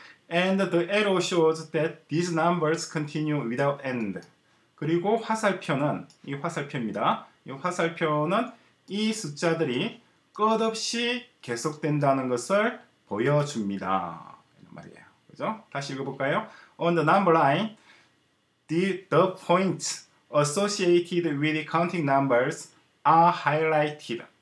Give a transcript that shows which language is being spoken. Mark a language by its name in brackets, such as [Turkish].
[English] And the arrow shows that these numbers continue without end. [Korean] 그리고 화살표는 이 화살표입니다. 이 화살표는 이 숫자들이 끝없이 계속된다는 것을 보여줍니다. 이런 말이에요. 그죠? 다시 읽어볼까요? [English] On the number line, the points associated with counting numbers are highlighted.